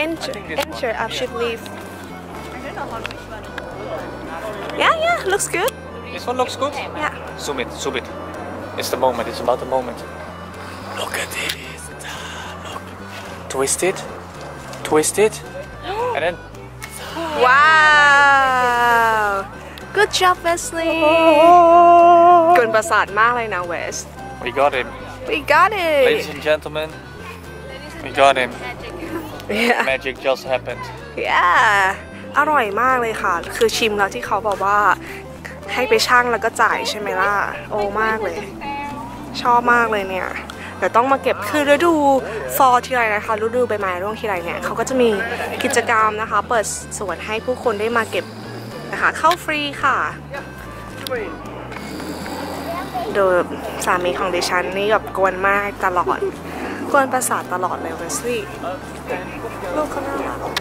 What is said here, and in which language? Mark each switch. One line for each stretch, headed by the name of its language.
English: Enter I should leave I don't know how this one Yeah looks good This one looks good? Yeah Zoom it It's about the moment Look at this Look Twist it And then Wow Good job Wesley
Thai: กวนประสาทมากเลยนะ
English: Wes We got him. We got it. Ladies and gentlemen, we got him. Yeah. Magic just happened. Yeah.
Thai: อร่อยมากเลยค่ะคือชิมแล้วที่เขาบอกว่าให้ไปชั่งแล้วก็จ่ายใช่ไหมล่ะโอ้มากเลยชอบมากเลยเนี่ยเดี๋ยวต้องมาเก็บคือฤดูฟอลที่ไรนะคะฤดูใบไม้ร่วงที่ไรเนี่ยเขาก็จะมีกิจกรรมนะคะเปิดสวนให้ผู้คนได้มาเก็บนะคะเข้าฟรีค่ะโดยสามีของดิฉันนี่แบบกวนมากตลอดกวนประสาทตลอดเลยเวสลี่ลูกเขาน่ารัก